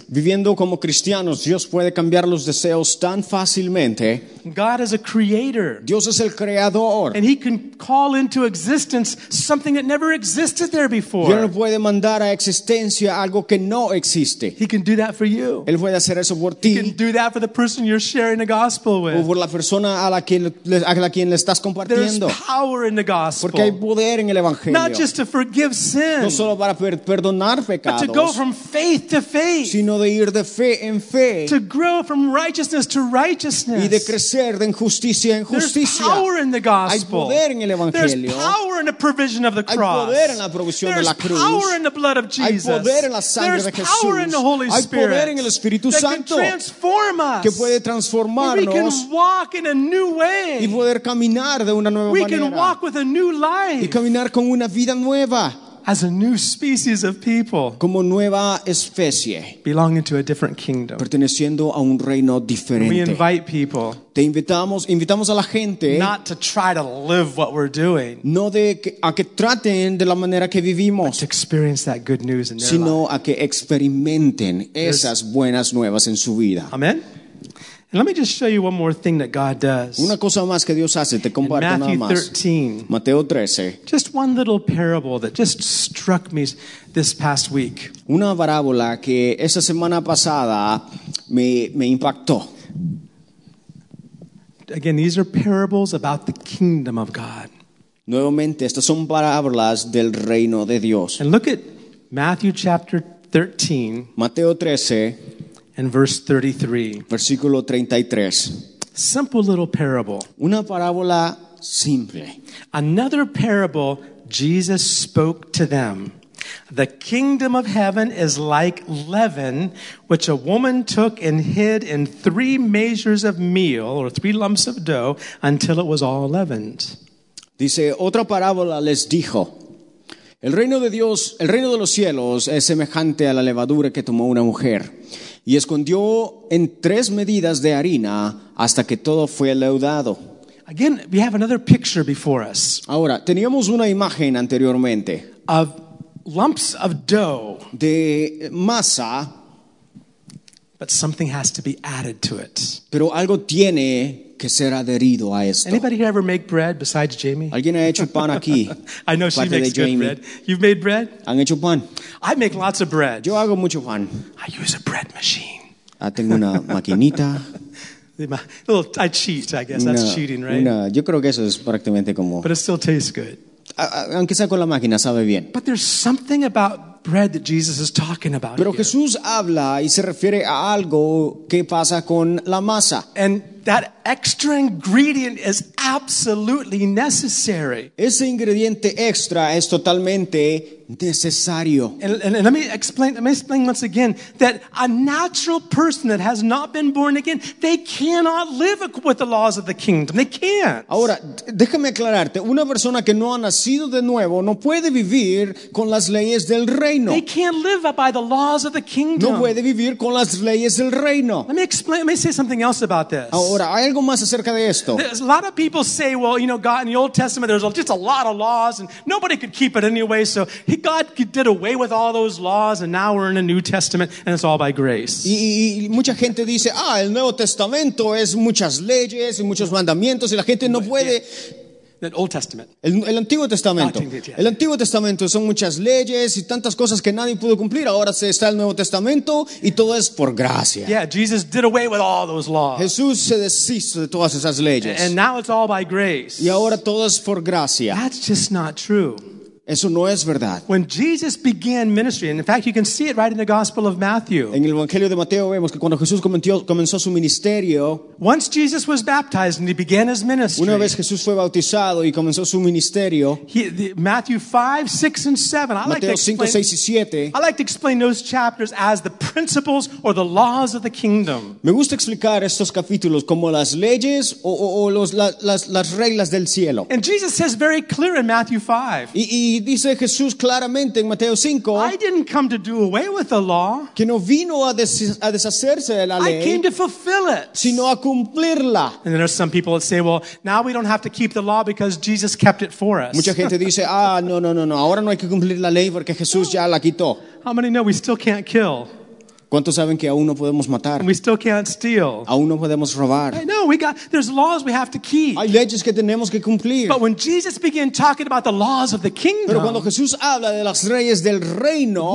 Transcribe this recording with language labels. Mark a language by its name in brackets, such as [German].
[Spanish] Viviendo como cristianos, Dios puede cambiar los deseos tan fácilmente. [English] God is a creator. [Spanish] Dios es el creador. [English] And He can call into existence something that never existed there before. [Spanish] Dios puede mandar a existencia algo que no existe. [English] He can do that for you. [Spanish] Él puede hacer eso por ti. [English] He can do that for the person you're sharing the gospel with. [Spanish] O por la persona a la quien le estás compartiendo. [English] There's power in the gospel. [Spanish] Porque hay poder en el evangelio. [English] Not just to forgive sin, [Spanish] no solo para perdonar pecados, [English] but to go from faith to faith, [Spanish] sino de ir de fe en fe, [English] to grow from righteousness to righteousness, [Spanish] y de crecer de injusticia en justicia. [English] There's power in the gospel. [Spanish] Hay poder en el evangelio. [English] There's power in the provision of the cross. [Spanish] Hay poder en la provisión [English] There's [Spanish] de la cruz. [English] There's power in the blood of Jesus. [Spanish] Hay poder en la sangre [English] There's [Spanish] de Jesús. [English] Power in the Holy Spirit. [Spanish] Hay poder en el Espíritu Santo. [English] That can transform us. [Spanish] Que puede transformarnos. [English] We can walk in a new way. [Spanish] Y poder caminar de una nueva [English] we [Spanish] manera. [English] We can walk with a new life. [Spanish] Y caminar con una vida nueva. [English] As a new species of people. [Spanish] Como nueva especie. [English] Belonging to a different kingdom. [Spanish] Perteneciendo a un reino diferente. [English] We invite people. [Spanish] Te invitamos a la gente. [English] Not to try to live what we're doing. [Spanish] No de a que traten de la manera que vivimos. [English] To experience that good news in their life. [Spanish] Sino a que experimenten esas buenas nuevas en su vida. [English] Amen. Let me just show you one more thing that God does. [Spanish] Una cosa más que Dios hace, te comparto nada más. [English] Matthew 13. [Spanish] Mateo 13. [English] Just one little parable that just struck me this past week. [Spanish] Una parábola que esa semana pasada me impactó. [English] Again, these are parables about the kingdom of God. [Spanish] Nuevamente, estas son parábolas del reino de Dios. [English] And look at Matthew chapter 13. [Spanish] Mateo 13. [English] And verse 33. [Spanish] Versículo 33. [English] Simple little parable. [Spanish] Una parábola simple. [English] Another parable Jesus spoke to them. The kingdom of heaven is like leaven, which a woman took and hid in three measures of meal, or three lumps of dough, until it was all leavened. [Spanish] Dice, otra parábola les dijo, el reino de Dios, el reino de los cielos, es semejante a la levadura que tomó una mujer, y escondió en tres medidas de harina hasta que todo fue leudado. [English] Again, we have another picture before us. [Spanish] Ahora, teníamos una imagen anteriormente. [English] Of lumps of dough. [Spanish] De masa. [English] But something has to be added to it. [Spanish] Pero algo tiene que ser adherido a esto. [English] Anybody here ever make bread besides Jamie? [Spanish] ¿Alguien ha hecho pan aquí? [English] I know she makes good bread. You've made bread? [Spanish] ¿Han hecho pan? [English] I make lots of bread. [Spanish] Yo hago mucho pan. [English] I use a bread machine. [Spanish] Tengo una maquinita. [English] I cheat, I guess. That's cheating, right? [Spanish] No, yo creo que eso es prácticamente como... [English] But it still tastes good. [Spanish] Aunque sea con la máquina, sabe bien. [English] But there's something about bread that Jesus is talking about. [Spanish] Pero Jesús habla y se refiere a algo que pasa con la masa. [English] And that extra ingredient is absolutely necessary. [Spanish] Ese ingrediente extra es totalmente necesario. [English] And let me explain once again that a natural person that has not been born again, they cannot live with the laws of the kingdom. They can't. [Spanish] Ahora, déjame aclararte. Una persona que no ha nacido de nuevo no puede vivir con las leyes del reino. [English] They can't live by the laws of the kingdom. [Spanish] No puede vivir con las leyes del reino. [English] Let me say something else about this. [Spanish] Ahora, hay algo más acerca de esto. [English] There's a lot of people say, well, you know, God, in the Old Testament, there's just a lot of laws and nobody could keep it anyway, so God did away with all those laws and now we're in a New Testament and it's all by grace. [Spanish] Y mucha gente dice, ah, el Nuevo Testamento es muchas leyes y muchos mandamientos y la gente no puede... [English] The Old Testament. [Spanish] El Antiguo Testamento. El Antiguo Testamento son muchas leyes y tantas cosas que nadie pudo cumplir. Ahora se está el Nuevo Testamento y todo es por gracia. [English] Yeah, Jesus did away with all those laws. [Spanish] Jesús se deshizo de todas esas leyes. [English] And now it's all by grace. [Spanish] Y ahora todo es por gracia. [English] That's just not true. [Spanish] Eso no es verdad. [English] When Jesus began ministry, and in fact you can see it right in the Gospel of Matthew. [Spanish] En el Evangelio de Mateo vemos que cuando Jesús comenzó su ministerio, [English] once Jesus was baptized and he began his ministry. [Spanish] Una vez Jesús fue bautizado y comenzó su ministerio. [English] Matthew 5, 6 and 7. [Spanish] Mateo 5, 6 y 7. [English] I like to explain those chapters as the principles or the laws of the kingdom. [Spanish] Me gusta explicar estos capítulos como las leyes o las reglas del cielo. [English] And Jesus says very clear in Matthew 5. [Spanish] Y dice Jesús claramente en Mateo 5, [English] I didn't come to do away with the law. [Spanish] Que no vino a deshacerse de la ley. [English] I came to fulfill it. [Spanish] Sino a cumplirla. [English] And then there are some people that say, well, now we don't have to keep the law because Jesus kept it for us. [Spanish] Mucha gente dice, ah, no. Ahora no hay que cumplir la ley porque Jesús ya la quitó. [English] How many know we still can't kill? [Spanish] ¿Cuántos saben que aún no podemos matar? [English] We still can't steal. [Spanish] Aún no podemos robar. [English] I know, there's laws we have to keep. [Spanish] Hay leyes que tenemos que cumplir. [English] But when Jesus began talking about the laws of the kingdom, [Spanish] pero cuando Jesús habla de las leyes del reino,